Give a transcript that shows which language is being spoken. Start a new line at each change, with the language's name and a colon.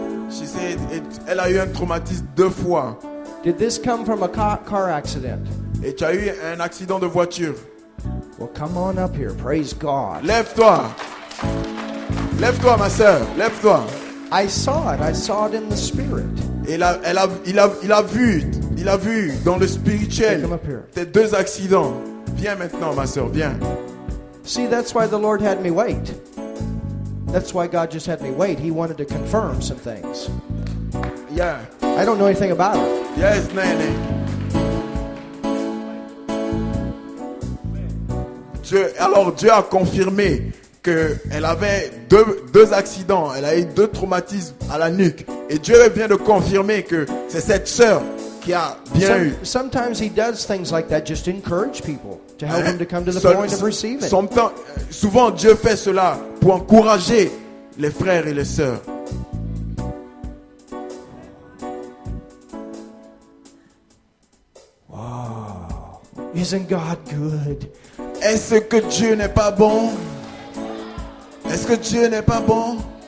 English: She said
French: elle a eu un traumatisme deux fois.
English: Did this come from a car accident?
French: Et tu as eu un accident de voiture.
English: Well, come on up here. Praise God.
French: Lève-toi. Lève-toi, ma sœur. Lève-toi.
English: I saw it. I saw it in the spirit.
French: Et là, il a vu dans le spirituel.
English: Come up here.
French: Tes deux accidents. Viens maintenant, ma sœur. Viens.
English: See, that's why the Lord had me wait. That's why God just had me wait. He wanted to confirm some things. Yeah. I don't know anything about it. Yes, Nanny.
French: Alors Dieu a confirmé qu'elle avait deux accidents, elle a eu deux traumatismes à la nuque, et Dieu vient de confirmer que c'est cette sœur qui a bien eu.
English: Sometimes he does things like that just to encourage people to help them to come to the point of receiving.
French: Souvent Dieu fait cela pour encourager les frères et les sœurs.
English: Wow, isn't God good?
French: Est-ce que Dieu n'est pas bon? Est-ce que Dieu n'est pas bon?